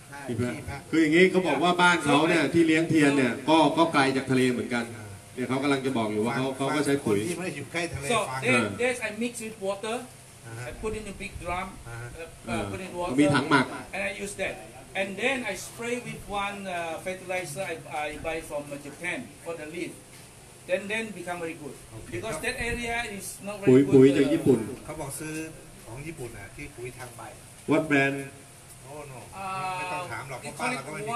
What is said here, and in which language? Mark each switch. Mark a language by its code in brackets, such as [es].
[th] ขี้แพะคืออย่างนี้เขาบอกว่าบ้านเขาเนี่ยที่เลี้ยงเทียนเนี่ยก็ไกลจากทะเลเหมือนกันเนี่ยเขากำลังจะบอกอยู่ว่าเขาก็ใช้ปุ๋ย ที่ไม่ได้อยู่ใกล้ทะเลฟัง [en] this I mix with water I put in a big drum put in water [th] มีถังหมัก [en] and I use that and then I spray with one fertilizer I buy from Japan for the leafThen become very good because that area is not very good. [th] ปุ๋ยจากญี่ปุ่น เขาบอกซื้อของญี่ปุ่นอ่ะที่ปุ๋ยทางใบ [en] What brand? Oh no. [th] ไม่ต้องถามหรอกเพราะว่าเราก็ไม่ได